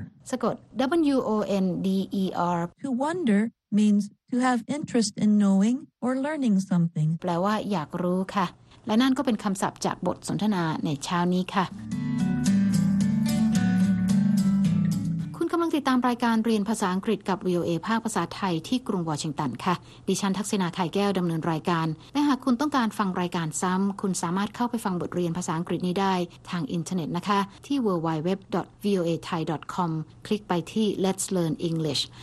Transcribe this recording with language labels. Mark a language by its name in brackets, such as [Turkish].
[Thai] สะกด w-o-n-d-e-r [English] to wonder means to have interest in knowing or learning something. [Thai] แปลว่าอยากรู้ค่ะและนั่นก็เป็นคำศัพท์จากบทสนทนาในเช้านี้ค่ะกำลังติดตามรายการเรียนภาษาอังกฤษกับ VOA ภาคภาษาไทยที่กรุงวอชิงตันค่ะดิฉันทักษณาไทยแก้วดำเนินรายการและหากคุณต้องการฟังรายการซ้ำคุณสามารถเข้าไปฟังบทเรียนภาษาอังกฤษนี้ได้ทางอินเทอร์เน็ตนะคะที่ www.voathai.com คลิกไปที่ Let's Learn English